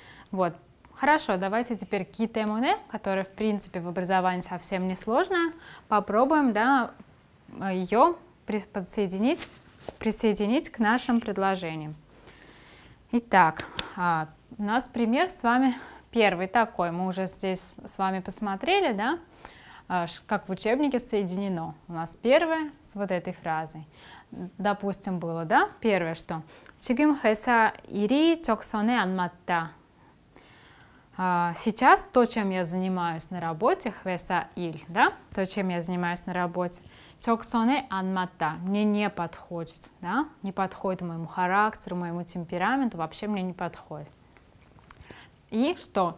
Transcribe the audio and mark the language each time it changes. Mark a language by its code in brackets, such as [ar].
[ru] Вот, хорошо, давайте теперь китэмуне, которое, в принципе, в образовании совсем не сложное, попробуем, да, ее присоединить к нашим предложениям. Итак, у нас пример с вами первый такой. Мы уже здесь с вами посмотрели, да, как в учебнике соединено. У нас первое с вот этой фразой. Допустим, было, да, первое, что [ko] «지금 회사 일이 적성에 안 맞다». [ru] Сейчас то, чем я занимаюсь на работе, [ko] «회사 일», [ru] да, то, чем я занимаюсь на работе, [ko] «적성에 안 맞다», [ru] мне не подходит, да, не подходит моему характеру, моему темпераменту, вообще мне не подходит. И что?